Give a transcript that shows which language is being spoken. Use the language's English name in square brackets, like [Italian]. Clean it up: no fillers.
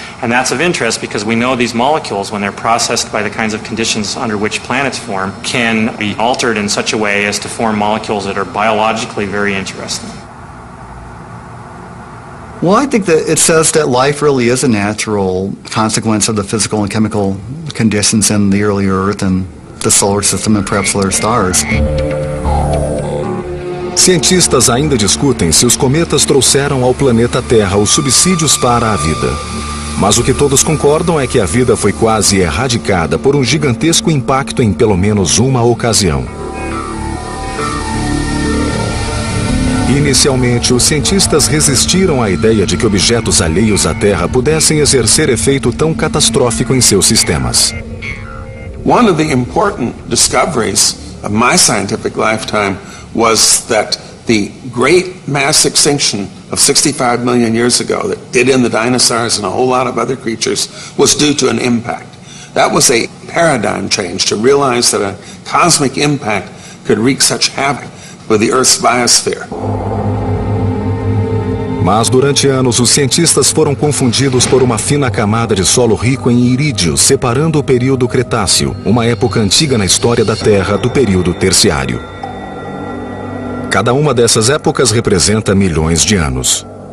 [English] And that's of interest because we know these molecules, when they're processed by the kinds of conditions under which planets form, can be altered in such a way as to form molecules that are biologically very interesting. Well, I think that it says that life really is a natural consequence of the physical and chemical conditions in the early Earth and the solar system and perhaps other stars. [Portuguese] Cientistas ainda discutem se os cometas trouxeram ao planeta Terra os subsídios para a vida. Mas o que todos concordam é que a vida foi quase erradicada por um gigantesco impacto em pelo menos uma ocasião. Inicialmente, os cientistas resistiram à ideia de que objetos alheios à Terra pudessem exercer efeito tão catastrófico em seus sistemas. [English] One of the important discoveries of my scientific lifetime was that the great mass extinction of 65 million years ago that did in the dinosaurs and a whole lot of other creatures was due to an impact. That was a paradigm change to realize that a cosmic impact could wreak such havoc with the Earth's biosphere. [Portuguese] Mas durante anos, os cientistas foram confundidos por uma fina camada de solo rico em irídio, separando o período Cretáceo, uma época antiga na história da Terra, do período Terciário. Cada uma dessas épocas representa milhões de anos.